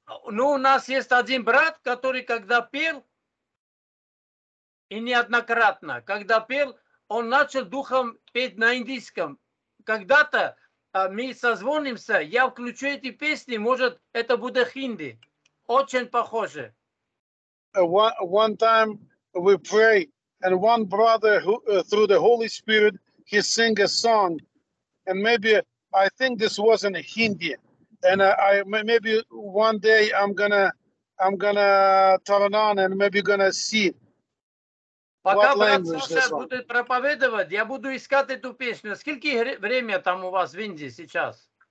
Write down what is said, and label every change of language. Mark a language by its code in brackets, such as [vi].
[ru] Ну, у нас есть один брат, который когда пел, и неоднократно, когда пел, он начал духом петь на индийском. Когда-то мы созвонимся, я включу эти песни, может, это будет хинди. Очень похоже. [en] One time we pray, and one brother, who, through the Holy Spirit, he sing a song. And maybe, I think this wasn't hindi. And maybe one day I'm gonna turn on, and maybe gonna see. [ru] Пока брат сейчас будет проповедовать, я буду искать эту песню. Сколько время там у вас в Индии сейчас?